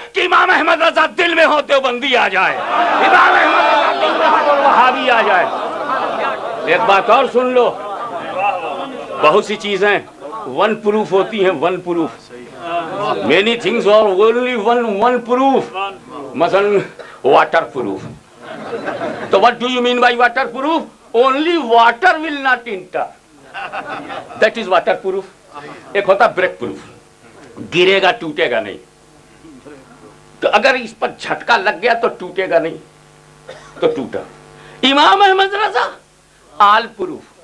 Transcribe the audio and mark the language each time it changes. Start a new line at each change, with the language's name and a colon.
Hindi: कि इमाम अहमद रजा दिल में हो देवबंदी आ जाए, इमाम अहमद वहाबी आ जाए। एक बात और सुन लो, बहुत सी चीजें वन प्रूफ होती है, one proof
English: Many things are only one proof.
Hindi: मसलन वाटर प्रूफ।
English: तो what do you mean by water proof? Only water will not enter. That is water proof.
Hindi: एक होता break proof, गिरेगा टूटेगा नहीं। तो अगर इस पर झटका लग गया तो टूटेगा नहीं, तो टूटा। इमाम अहमद रजा all proof.